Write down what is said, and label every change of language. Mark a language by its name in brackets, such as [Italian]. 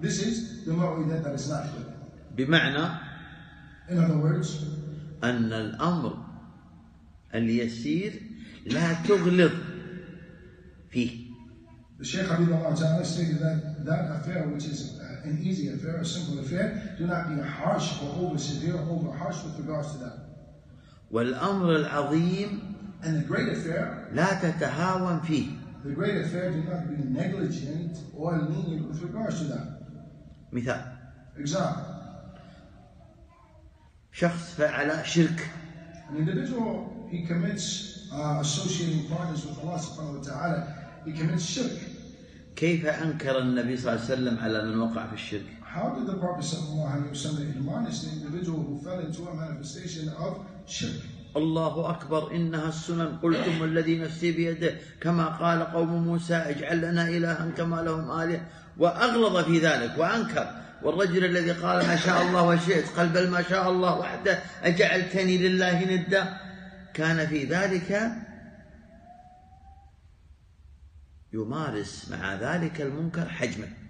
[English] This is the ma'uidat that is not good. [Arabic] بمعنى, [English] in other words, [Arabic] أن الأمر اليسير لا تغلظ فيه. [English] The Shaykh Habibullah Ta'ala stated that that affair which is an easy affair, a simple affair, do not be harsh or over severe or over harsh with regards to that. [Arabic] والأمر العظيم, [English] and the great affair, [Arabic] لا تتهاون فيه. [English] The great affair do not be negligent or lenient with regards to that. [Arabic] مثال. [English] Example. [Arabic] شخص فعل شرك. [English] An individual, he commits associating partners with Allah subhanahu wa ta'ala. He commits shirk. [Arabic] كيف أنكر النبي صلى الله عليه وسلم على من وقع في الشرك؟ [English] How did the Prophet [Arabic] صلى الله عليه وسلم [English] admonish the individual who fell into a manifestation of shirk? [Arabic] الله أكبر إنها السنن قلتم الذي نفسي بيده كما قال قوم موسى اجعل لنا إلها كما لهم آلهة وأغلظ في ذلك وأنكر. والرجل الذي قال ما شاء الله وشئت قال بل ما شاء الله وحده أجعلتني لله ندا كان في ذلك يمارس مع ذلك المنكر حجما.